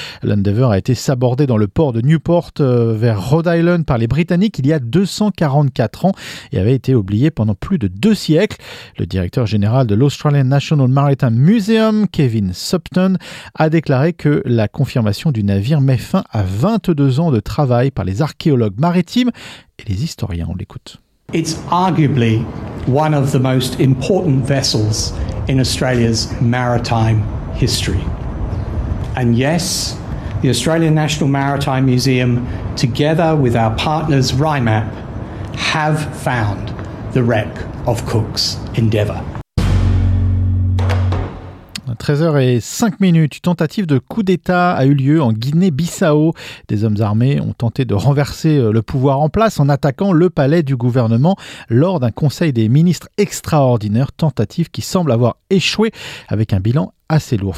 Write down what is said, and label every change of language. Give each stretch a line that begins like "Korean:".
French: L'Endeavour a été sabordé dans le port de Newport vers Rhode Island par les Britanniques il y a 244 ans et avait été oublié pendant plus de deux siècles. Le directeur général de l'Australian National Maritime Museum, Kevin Supton, a déclaré que la confirmation du navire met fin à 22 ans de travail par les archéologues maritimes et les historiens. On l'écoute.
English: It's arguably one of the most important vessels in Australia's maritime history. And yes, the Australian National Maritime Museum, together with our partners RIMAP, have found the wreck of Cook's Endeavour.
French: 13h05, une tentative de coup d'État a eu lieu en Guinée-Bissau. Des hommes armés ont tenté de renverser le pouvoir en place en attaquant le palais du gouvernement lors d'un conseil des ministres extraordinaire, tentative qui semble avoir échoué avec un bilan assez lourd.